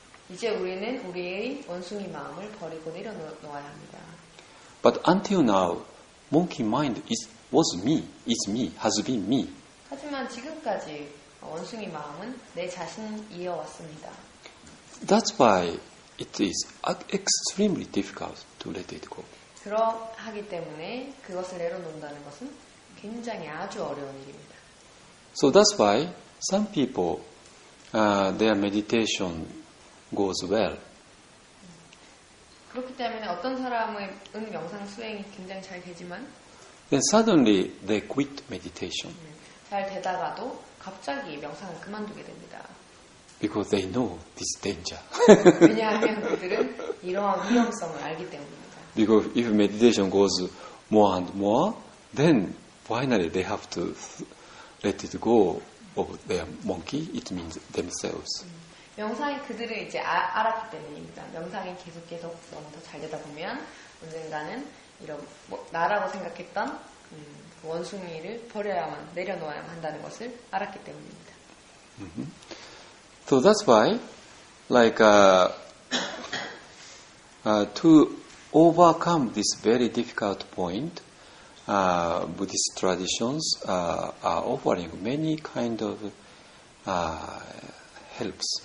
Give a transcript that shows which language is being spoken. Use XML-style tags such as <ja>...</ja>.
<ko>이제 우리는 우리의 원숭이 마음을 버리고 내려놓아야 합니다.</ko> <en>But until now, monkey mind was me, is me, has been me.</en> <ko>하지만 지금까지 원숭이 마음은 내 자신이어 왔습니다.</ko> <en>That's why it is extremely difficult to let it go.</en> <ko>그러하기 때문에 그것을 내려놓는다는 것은 굉장히 아주 어려운 일입니다.</ko> <en>So that's why some people, their meditation goes well.</en> <ko>그렇기 때문에 어떤 사람은 명상 수행이 굉장히 잘 되지만</ko> <en>Then suddenly they quit meditation.</en> <ko>잘 되다가도 갑자기 명상을 그만두게 됩니다.</ko> <en>Because they know this danger.</en> <ko>왜냐하면 그들은 이러한 위험성을 알기 때문입니다.</ko> <en>Because if meditation goes more and more, then finally they have to let it go of their monkey, it means themselves.</en> <ko>명상이 그들을 이제 알았기 때문입니다. 명상이 계속 너무 더 잘 되다 보면 언젠가는 이런 뭐 나라고 생각했던 원숭이를 버려야만 내려놓아야만 한다는 것을 알았기 때문입니다. Mm-hmm.</ko> <en>So that's why, like, to overcome this very difficult point, Buddhist traditions are offering many kind of helps.</en>